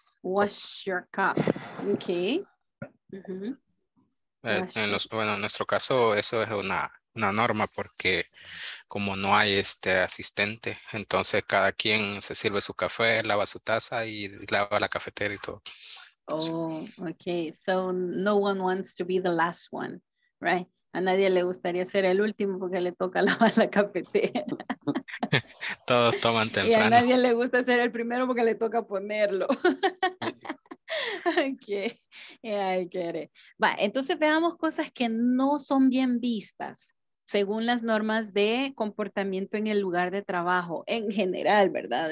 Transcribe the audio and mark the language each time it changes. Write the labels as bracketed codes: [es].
[en] Wash your cup. Okay. Mm-hmm. [es] Bueno, en nuestro caso, eso es una norma porque como no hay este asistente, entonces cada quien se sirve su café, lava su taza y lava la cafetera y todo. [en] Oh, okay. So no one wants to be the last one, right? [es] A nadie le gustaría ser el último porque le toca lavar la cafetera. Todos toman temprano. Y a nadie le gusta ser el primero porque le toca ponerlo. [en] Okay. Yeah, I get it. [es] Va, entonces veamos cosas que no son bien vistas según las normas de comportamiento en el lugar de trabajo, en general, ¿verdad?